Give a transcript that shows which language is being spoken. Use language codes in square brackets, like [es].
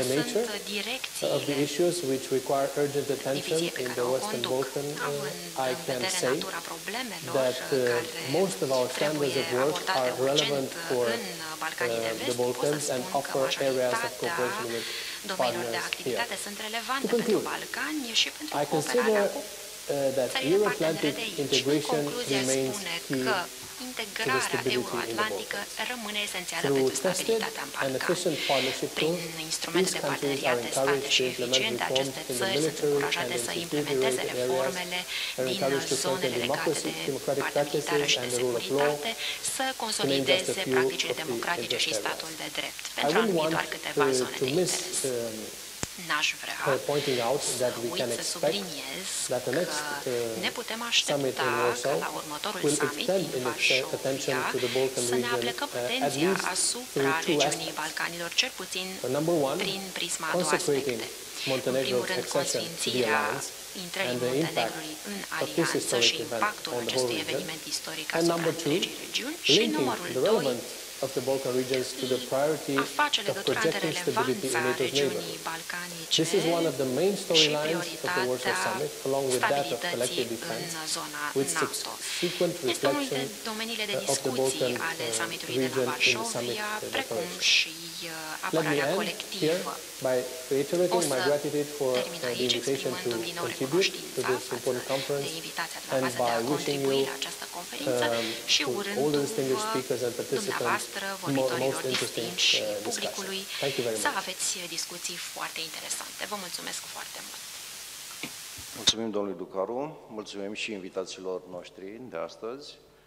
[en] the nature of the issues which require urgent attention in the Western Balkans, I can say that most of our standards of work are relevant for the Balkans and offer areas of cooperation with partners here. To conclude, I consider that Euro-Atlantic integration remains key. [ro] Integrarea euroatlantică rămâne esențială pentru stabilitatea în Balcan. Prin instrumente de parteneriat stabile și eficiente, aceste țări sunt încurajate să implementeze reformele din zonele legate de partea militară și de securitate, să consolideze practicile democratice și statul de drept pentru anumit doar câteva zone de interes. N-aș vrea [en] pointing out that we can expect [ro] ne putem aștepta ca la următorul summit din Varșovia [en] to the Balkan [ro] să ne aplecăm atenția asupra regiunii Balcanilor, cel puțin [en] one, [ro] prin prisma a două aspecte. Montenegro, în primul rând, consfințirea intrării Montenegrului în alianță și impactul acestui eveniment istoric asupra întregii regiuni. Și numărul doi, [en] of the Balkan regions to the priority of projecting stability in NATO's neighborhood. This is one of the main storylines of the Warsaw Summit, along with that of collective defense, with subsequent reflection of the Balkan region in the summit declaration. Let me end by reiterating my gratitude for the invitation to contribute to this important conference and by wishing you [ro] și urându-vă dumneavoastră, vorbitorilor distinși și publicului, să aveți discuții foarte interesante. Vă mulțumesc foarte mult! Mulțumim domnului Ducaru, mulțumim și invitaților noștri de astăzi.